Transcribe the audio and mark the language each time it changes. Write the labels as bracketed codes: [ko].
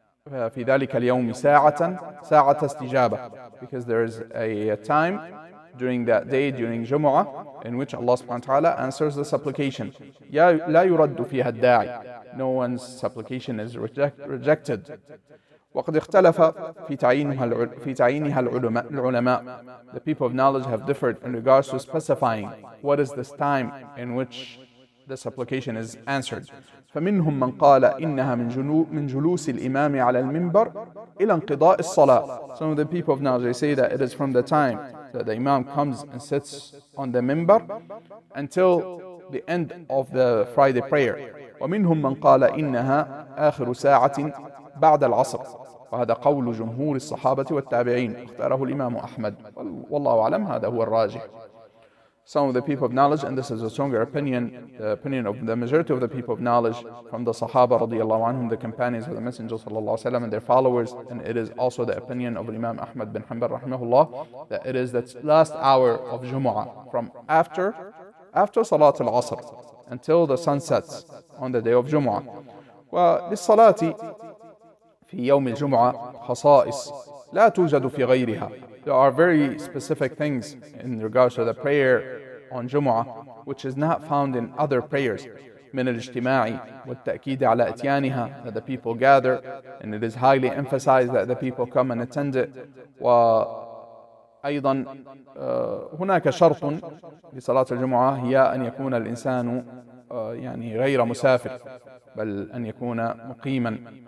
[ar] لأن في ذلك اليوم ساعة استجابة. [en] Because there is a time during that day, during Jumu'ah, in which Allah subhanahu wa ta'ala answers the supplication. [ar] لا يرد فيها الداعي. [en] No one's supplication is rejected. [ar] وقد اختلف في تعيينها العلماء. [en] The people of knowledge have differed in regards to specifying what is this time in which the supplication is answered. [ar] فمنهم من قال إنها من جلوس الإمام على المنبر إلى انقضاء الصلاة. [en] Some of the people of knowledge say that it is from the time that the imam comes and sits on the minbar until the end of the Friday prayer. [ar] ومنهم من قال إنها آخر ساعة بعد العصر. وهذا قول جمهور الصحابة والتابعين اختاره الإمام أحمد والله أعلم هذا هو الراجح. [en] Some of the people of knowledge, and this is a stronger opinion, the opinion of the majority of the people of knowledge from the Sahaba رضي الله عنهم, the companions of the Messenger صلى الله عليه وسلم and their followers, and it is also the opinion of Imam Ahmad bin Hanbal رحمه الله, that it is the last hour of Jumu'ah from after صلاة العصر until the sun sets on the day of Jumu'ah. [ar] وللصلاة في يوم الجمعة خصائص لا توجد في غيرها. [en] There are very specific things in regards to the prayer on Jumu'ah which is not found in other prayers. [ar] من الاجتماع والتأكيد على اتيانها, [en] that the people gather and it is highly emphasized that the people come and attend it. [ar] وأيضا هناك شرط لصلاة الجمعة هي أن يكون الإنسان غير مسافر بل أن يكون مقيما.